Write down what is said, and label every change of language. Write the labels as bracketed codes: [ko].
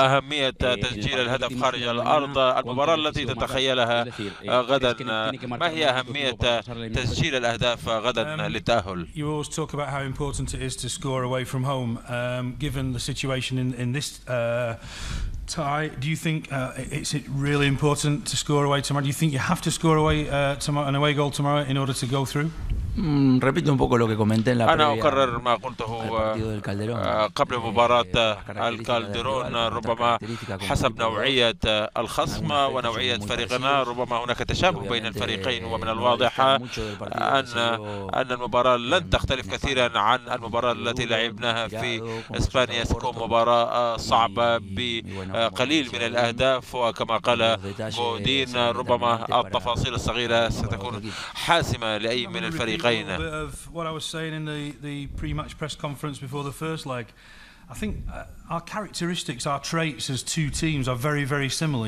[ar] أهمية تسجيل الهدف خارج الأرض، المباراة التي تتخيلها غدا، ما هي أهمية تسجيل الأهداف غدا للتأهل؟ [en] You always talk about how important it is to score away from home. Given the situation in this tie, do you think it's really important to score away tomorrow? Do you think you have to score away tomorrow, an away goal tomorrow, in order to go through? [es] Repito un poco lo que comenté en la previa. [ar] أنا أكرر ما قلته قبل مباراة الكالديرون. ربما حسب نوعية الخصم ونوعية فريقنا ربما هناك تشابه بين الفريقين، ومن الواضح أن المباراة لن تختلف كثيرا عن المباراة التي لعبناها في إسبانيا. ستكون مباراة صعبة بقليل من الأهداف، وكما قال مودين ربما التفاصيل الصغيرة ستكون حاسمة لأي من الفريقين. [en] A little bit of what I was saying in the pre-match press conference before the first leg. I think our characteristics, our traits as two teams are very, very similar.